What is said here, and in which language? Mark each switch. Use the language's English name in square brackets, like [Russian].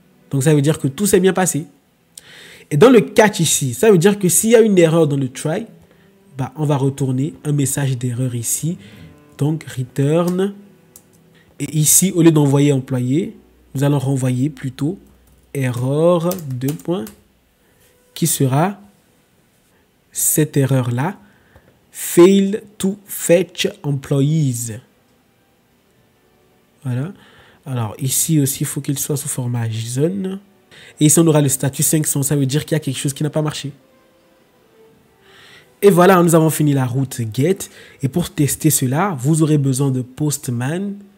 [French] Donc, ça veut dire que tout s'est bien passé. Et dans le catch ici, ça veut dire que s'il y a une erreur dans le try, bah, on va retourner un message d'erreur ici. Donc, return. Et ici, au lieu d'envoyer employé, nous allons renvoyer plutôt erreur 2 points qui sera cette erreur-là. [English] Fail to fetch employees. [French] Voilà. Alors ici aussi, il faut qu'il soit sous format JSON. Et ici, on aura le statut 500. Ça veut dire qu'il y a quelque chose qui n'a pas marché. Et voilà, nous avons fini la route GET. Et pour tester cela, vous aurez besoin de Postman.